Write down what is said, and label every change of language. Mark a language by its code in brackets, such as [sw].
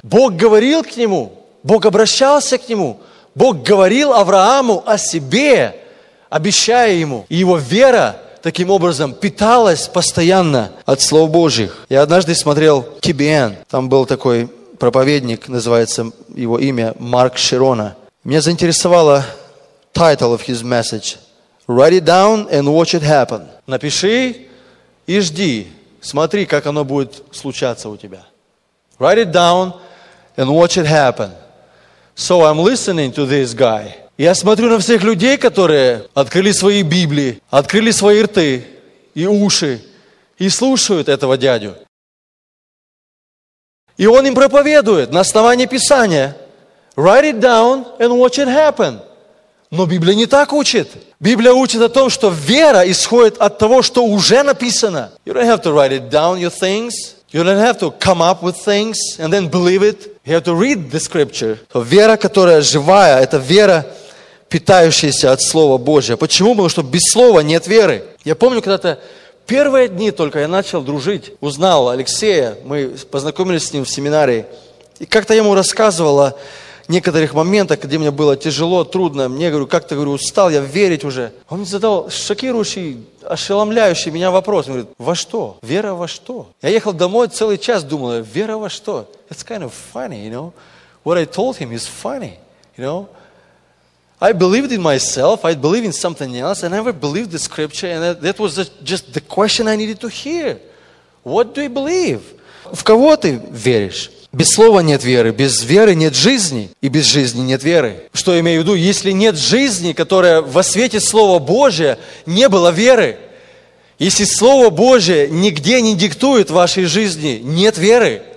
[ru] Бог говорил к нему, Бог обращался к нему. Бог говорил Аврааму о себе, обещая ему. И его вера таким образом питалась постоянно от Слова Божьих. Я однажды смотрел TBN. Там был такой проповедник, называется его имя Марк Широна. Меня заинтересовало [en] title of his message. Write it down and watch it happen. [ru] Напиши и жди. Смотри, как оно будет случаться у тебя. [en] Write it down and watch it happen. So I'm listening to this guy. [ru] Я смотрю на всех людей, которые открыли свои Библии, открыли свои рты и уши и слушают этого дядю. И он им проповедует на основании Писания. [en] Write it down and watch it happen. [ru] Но Библия не так учит. Библия учит о том, что вера исходит от того, что уже написано. [en] You don't have to write it down, your things. You don't have to come up with things and then believe it. You have to read the scripture. [ru] То вера, которая живая, это вера, питающаяся от Слова Божия. Почему? Потому что без Слова нет веры. Я помню, когда-то первые дни только я начал дружить. Узнал Алексея, мы познакомились с ним в семинарии. И как-то я ему рассказывал о некоторых моментах, где мне было тяжело, трудно. Мне, говорю, как-то, говорю, устал я верить уже. Он мне задал шокирующий, ошеломляющий меня вопрос. Он говорит, во что? Вера во что? Я ехал домой целый час, думал, вера во что? [en] It's kind of funny, you know. What I told him is funny, you know. I believed in myself, I believed in something else, I never believed the scripture, and that was just the question I needed to hear. What do you believe? [ru] В кого ты веришь? Без слова нет веры, без веры нет жизни, и без жизни нет веры. Что я имею в виду? Если нет жизни, которая во свете Слова Божия, не было веры. Если Слово Божие нигде не диктует вашей жизни, нет веры.